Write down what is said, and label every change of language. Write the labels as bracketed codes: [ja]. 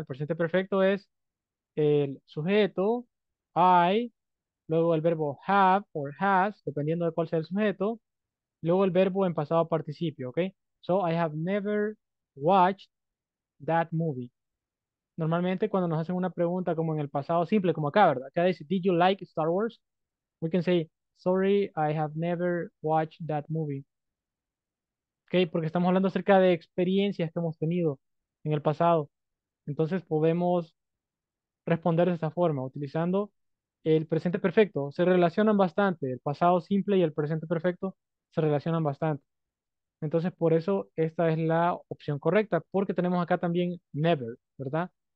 [es] El presente perfecto es el sujeto, I, luego el verbo have or has, dependiendo de cuál sea el sujeto, luego el verbo en pasado participio, ¿ok? [en] So, I have never watched that movie. [es] Normalmente, cuando nos hacen una pregunta como en el pasado simple, como acá, ¿verdad? Acá dice, [en] did you like Star Wars? We can say, sorry, I have never watched that movie. [es] ¿Ok? Porque estamos hablando acerca de experiencias que hemos tenido en el pasado. Entonces, podemos responder de esta forma, utilizando el presente perfecto. Se relacionan bastante, el pasado simple y el presente perfecto se relacionan bastante. Entonces, por eso, esta es la opción correcta, porque tenemos acá también never, ¿verdad?